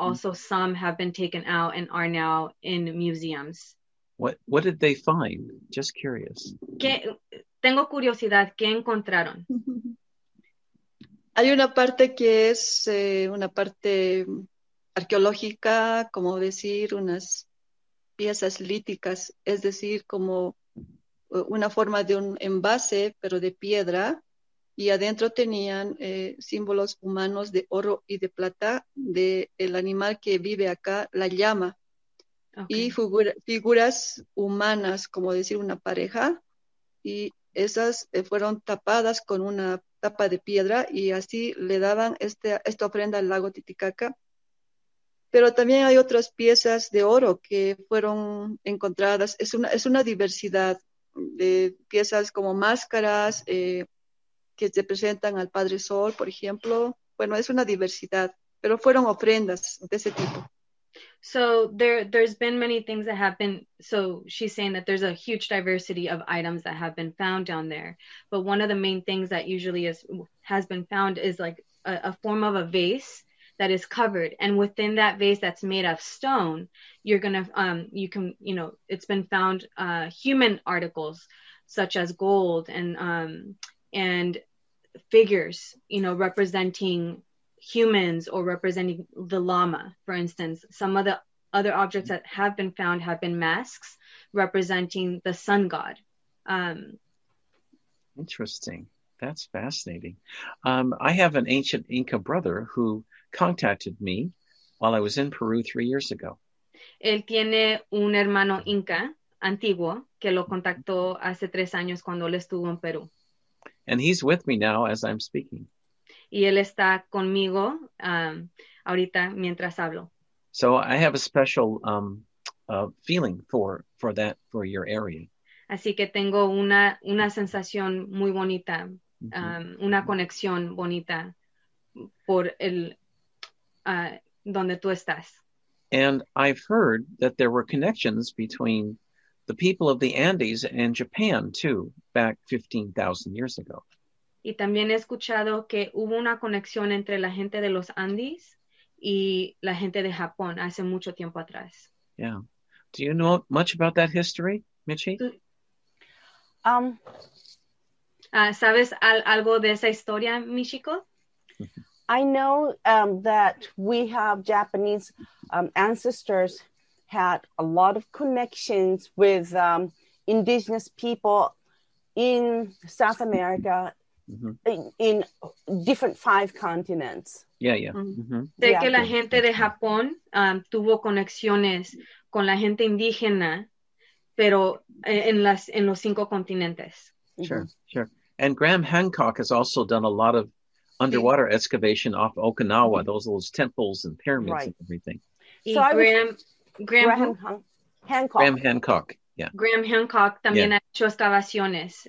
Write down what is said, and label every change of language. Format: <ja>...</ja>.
<en>also some have been taken out and are now in museums. What did they find? Just curious.</en> <es>Tengo curiosidad, ¿qué encontraron? Hay una parte que es una parte arqueológica, como decir, unas piezas líticas, es decir, como una forma de un envase, pero de piedra, y adentro tenían símbolos humanos de oro y de plata del animal que vive acá, la llama, okay. Y figuras humanas, como decir, una pareja, y esas fueron tapadas con una tapa de piedra y así le daban esta ofrenda al lago Titicaca. Pero también hay otras piezas de oro que fueron encontradas. Es una diversidad de piezas como máscaras que se presentan al Padre Sol, por ejemplo. Bueno, es una diversidad, pero fueron ofrendas de ese tipo.</es> <en>So there's been many things that have been, so she's saying that there's a huge diversity of items that have been found down there. But one of the main things that usually has been found is like a form of a vase that is covered. And within that vase that's made of stone, you're going to, it's been found human articles such as gold and figures, you know, representing humans or representing the llama, for instance. Some of the other objects that have been found have been masks representing the sun god. Interesting. That's fascinating. I have an ancient Inca brother who contacted me while I was in Peru 3 years ago.</en> <es>Él tiene un hermano Inca antiguo que lo contactó hace 3 años cuando él estuvo en Perú.</es> <en>And he's with me now as I'm speaking.</en> <es>Y él está conmigo ahorita mientras hablo.</es> <en>So I have a special feeling for that, for your area.</en> <es>Así que tengo una sensación muy bonita, mm-hmm. Una conexión bonita por el donde tú estás.</es> <en>And I've heard that there were connections between the people of the Andes and Japan too, back 15,000 years ago.</en> <es>Y también he escuchado que hubo una conexión entre la gente de los Andes y la gente de Japón hace mucho tiempo atrás.</es> <en>Yeah. Do you know much about that history, Michi?</en> <es>¿Sabes algo de esa historia, Michiko?</es> <en>I know that we have Japanese ancestors had a lot of connections with indigenous people in South America, mm-hmm. in different five continents. Yeah, yeah. Mm-hmm.</en> <es>Sé que la gente de Japón tuvo conexiones con la gente indígena, pero en los cinco continentes.</es> <en>Sure, mm-hmm. sure. And Graham Hancock has also done a lot of underwater excavation off Okinawa, those temples and pyramids right. and everything. So Graham Hancock. Graham Hancock, yeah.</en> <es>Graham Hancock también yeah. ha hecho excavaciones.</es>